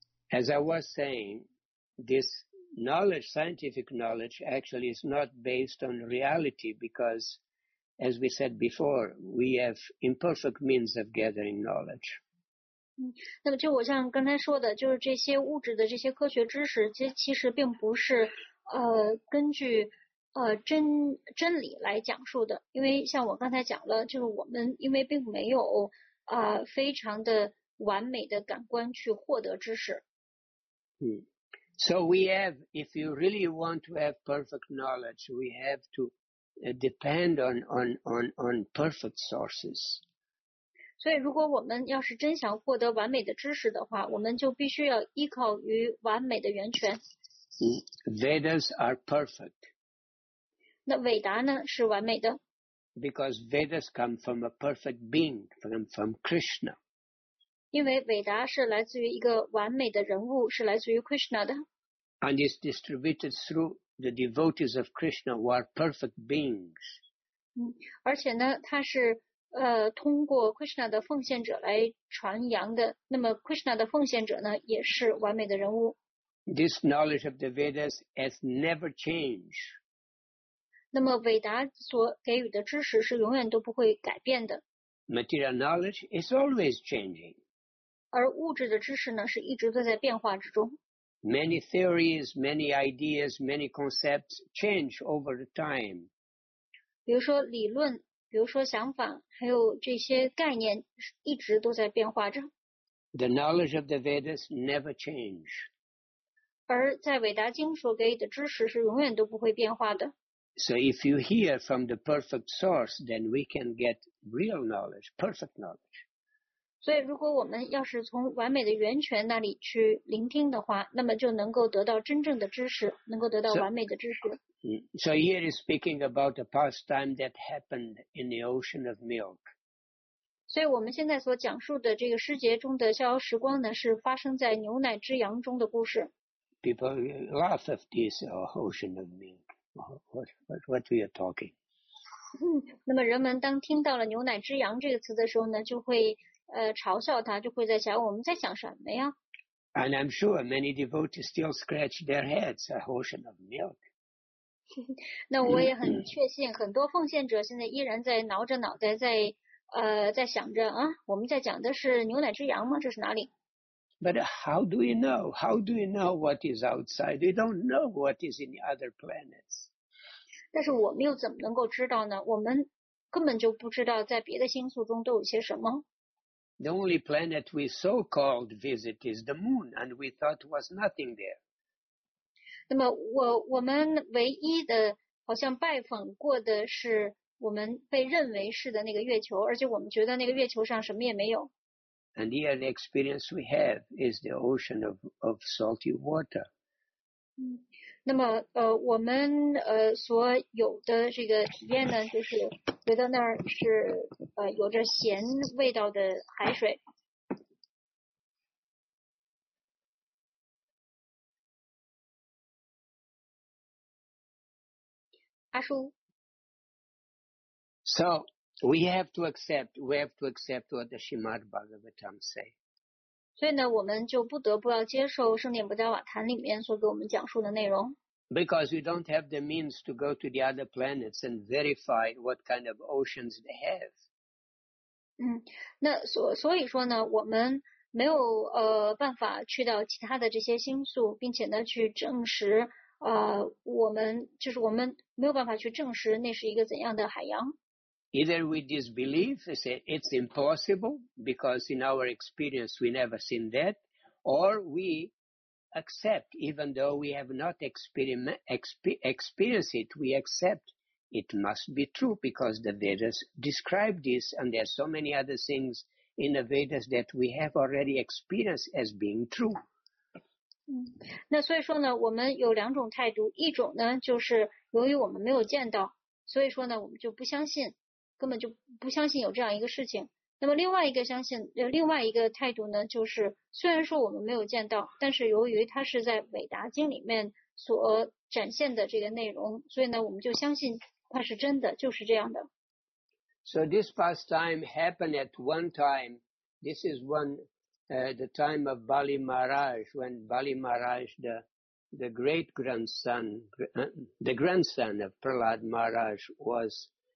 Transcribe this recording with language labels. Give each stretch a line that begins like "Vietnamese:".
English: As I was saying, this knowledge, scientific knowledge, actually is not based on reality because, as we said before, we have imperfect means of gathering knowledge.
Chinese: 那么就我像刚才说的，就是这些物质的这些科学知识，其实并不是根据真理来讲述的，因为像我刚才讲了，就是我们因为并没有非常的完美的感官去获得知识。
English: So we have, if you really want to have perfect knowledge, we have to depend on perfect sources.
Chinese: 所以如果我们要是真想获得完美的知识的话，我们就必须要依靠于完美的源泉。
English: Vedas are perfect.
Chinese: 那伟达呢是完美的。
English: Because Vedas come from a perfect being, from Krishna.
Chinese: 因为伟达是来自于一个完美的人物，是来自于 Krishna 的。
English: And is distributed through the devotees of Krishna who are perfect beings.
Chinese: 而且呢，它是通过 Krishna 的奉献者来传扬的。那么 Krishna 的奉献者呢，也是完美的人物。
English: This knowledge of the Vedas has never changed.
Chinese: 那么伟达所给予的知识是永远都不会改变的。
English: Material knowledge is always changing.
Chinese: 而物质的知识呢，是一直都在变化之中。
English: Many theories, many ideas, many concepts change over the time.
Chinese: 比如说理论，比如说想法，还有这些概念一直都在变化着。
English: The knowledge of the Vedas never change.
Chinese: 而在伟达经所给予的知识是永远都不会变化的。
English: So if you hear from the perfect source, then we can get real knowledge, perfect knowledge.
Chinese: 所以如果我们要是从完美的源泉那里去聆听的话，那么就能够得到真正的知识，能够得到完美的知识。
English: So here is speaking about a pastime that happened in the ocean of milk.
Chinese: 所以我们现在所讲述的这个诗节中的逍遥时光呢，是发生在牛奶之洋中的故事。
English: People laugh at this ocean of milk. What are you talking?
Chinese: 那么人们当听到了牛奶之洋这个词的时候呢，就会嘲笑他，就会在想我们在想什么呀。
English: And I'm sure many devotees still scratch their heads, a ocean of milk.
Chinese: 那我也很确信很多奉献者现在依然在挠着脑袋在想着啊，我们在讲的是牛奶之羊吗？这是哪里？
English: But how do you know? How do you know what is outside? You don't know what is in the other planets.
Chinese: 但是我们又怎么能够知道呢？我们根本就不知道在别的星宿中都有些什么。
English: The only planet we so-called visit is the moon, and we thought was nothing there.
Chinese: 那么我们唯一的好像拜访过的是我们被认为是的那个月球，而且我们觉得那个月球上什么也没有。
English: And here the experience we have is the ocean of salty water.
Chinese: 那么我们所有的这个体验呢，就是觉得那儿是有着咸味道的海水。阿叔。
English: So we have to accept. We have to accept what the Srimad Bhagavatam say.
Chinese: 所以呢，我们就不得不要接受《圣典不加瓦坛》里面所给我们讲述的内容。
English: Because we don't have the means to go to the other planets and verify what kind of oceans they have.
Chinese: 那所以说呢，我们没有办法去到其他的这些星宿，并且呢去证实我们就是我们没有办法去证实那是一个怎样的海洋。
English: Either we disbelieve, we say it's impossible because in our experience we never seen that, or we. Accept, even though we have not experienced it, we accept it must be true because the Vedas describe this, and there are so many other things in the Vedas that we have already experienced as being true.
Chinese: 那所以说呢，我们有两种态度，一种呢就是由于我们没有见到，所以说呢我们就不相信，根本就不相信有这样一个事情。那么另外一个态度呢，就是虽然说我们没有见到，但是由于它是在《伟达经》里面所展现的这个内容，所以呢，我们就相信它是真的，就是这样的。
English: So this pastime happened at one time. This is one the time of Bali Maharaj, when Bali Maharaj, the great grandson, the grandson of Prahlad Maharaj, was.